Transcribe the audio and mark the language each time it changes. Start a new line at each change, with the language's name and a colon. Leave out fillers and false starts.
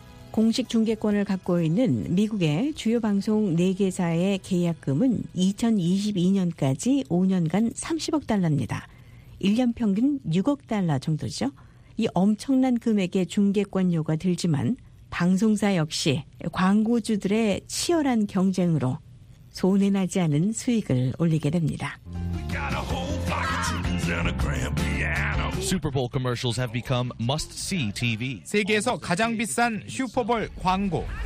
Korean: 공식 중계권을 갖고 있는 미국의 주요 방송 4개사의 계약금은 2022년까지 5년간 30억 달러입니다. 1년 평균 6억 달러 정도죠. 이 엄청난 금액의 중계권료가 들지만 방송사 역시 광고주들의 치열한 경쟁으로 손해 나지 않은 수익을 올리게 됩니다.
English: Super Bowl commercials have become must-see TV.
Korean: 세계에서 가장 비싼 슈퍼볼 광고.